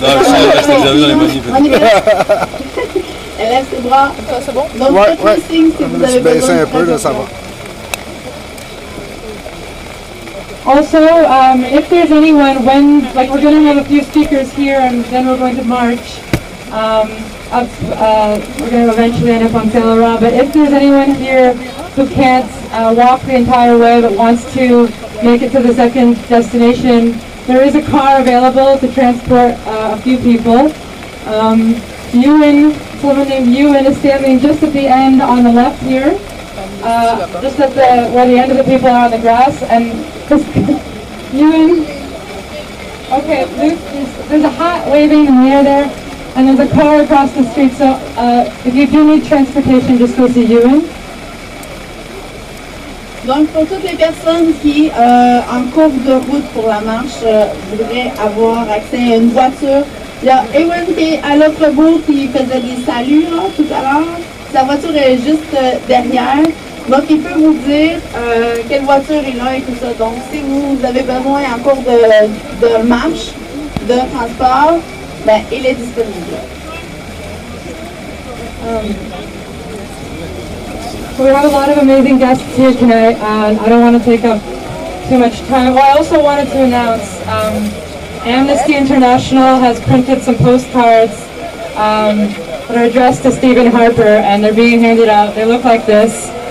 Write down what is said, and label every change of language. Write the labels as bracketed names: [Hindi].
[French] Non, je sais, parce que j'ai vu dans les bonnes vidéos. Elle lève ses bras. Ça, c'est bon? Donc, ouais, faites ouais. Le signe si vous avez besoin. Je vais baisser un peu, là, ça va. [English] Also, if there's anyone, when, like, we're going to have a few speakers here and then we're going to march. We're going to eventually end up on Celera, but if there's anyone here who can't walk the entire way but wants to make it to the second destination, there is a car available to transport a few people. Someone named Ewan is standing just at the end on the left here, just at the where the end of the people are on the grass. And Ewan, okay, Luke, there's a hat waving in the air there, and there's a car across the street, so if you do need transportation, just go see Ewan. [French] Donc, pour toutes les personnes qui, en cours de route pour la marche, voudraient avoir accès à une voiture, il y a Ewan qui est à l'autre bout, qui faisait des saluts, là, tout à l'heure. sa voiture est juste derrière. Donc, il peut vous dire quelle voiture il a et tout ça. Donc, si vous avez besoin encore de marche, de transport, ben, il est disponible. [English] We have a lot of amazing guests here tonight, and I don't want to take up too much time. Well, I also wanted to announce Amnesty International has printed some postcards that are addressed to Stephen Harper, and they're being handed out. They look like this.